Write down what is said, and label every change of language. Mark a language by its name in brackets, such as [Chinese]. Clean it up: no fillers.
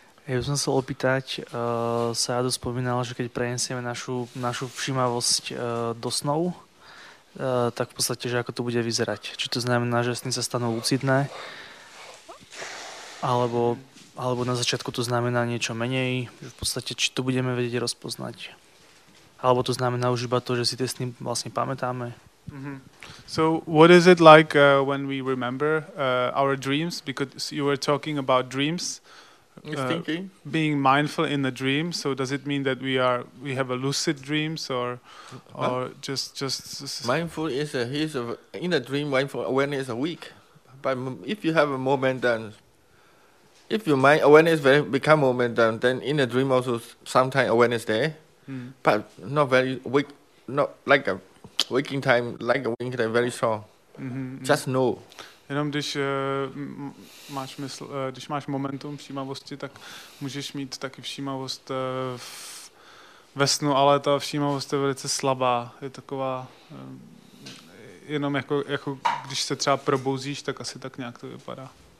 [Slovak] Ja by som chcel opýtať, Sajado spomínal, že keď preniesieme našu všímavosť do snov, tak v podstate, že ako to bude vyzerať. Či to znamená, že sny sa stanú lucidné, alebo na začiatku to znamená niečo menej, že v podstate, či to budeme vedieť rozpoznať. Alebo to znamená už iba to, že si tie sny vlastne pamätáme. [English] So what is it like when we remember our dreams? Because you were talking about dreams, He's thinking. being mindful in the dream. So does it mean that we have a lucid dreams Huh? or just Mindful is a he's a, in a dream, mindful awareness is weak. But if you have a moment, then if your mind awareness very become moment, then in a dream also sometimes awareness there, but not very weak, not like a waking time, like a waking time very strong. Just know. [Czech] Jenom když máš mysl, když máš momentum všímavosti, tak můžeš mít taky všímavost ve snu, ale ta všímavost je velice slabá. Je taková jenom jako když se třeba probouzíš, tak asi tak nějak to vypadá.